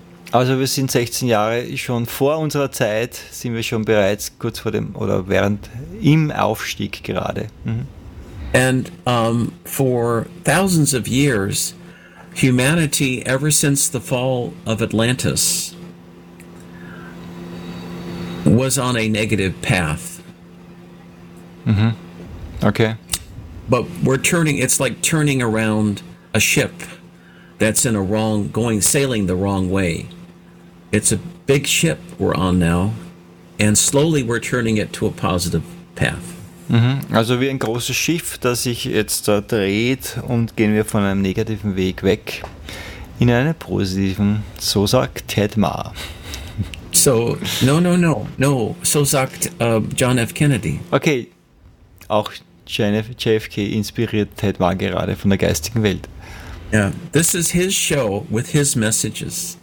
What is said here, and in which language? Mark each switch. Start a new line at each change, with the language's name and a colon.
German: Also wir sind 16 Jahre schon vor unserer Zeit, sind wir schon bereits kurz vor dem, oder während im Aufstieg gerade. Mhm.
English: And for thousands of years, humanity, ever since the fall of Atlantis, was on a negative path. Mm-hmm. Okay. But we're turning, it's like turning around a ship that's in a wrong, going sailing the wrong way. It's a big ship we're on now, and slowly we're turning it to a positive path. Mm-hmm.
German: Also wie ein großes Schiff, das sich jetzt da dreht und gehen wir von einem negativen Weg weg in einen positiven, so sagt Ted Maher.
English: So, no.
German: So sagt John F. Kennedy. Okay, auch JFK inspiriert Ted Maher gerade von der geistigen Welt.
English: Yeah, this is his show with his messages.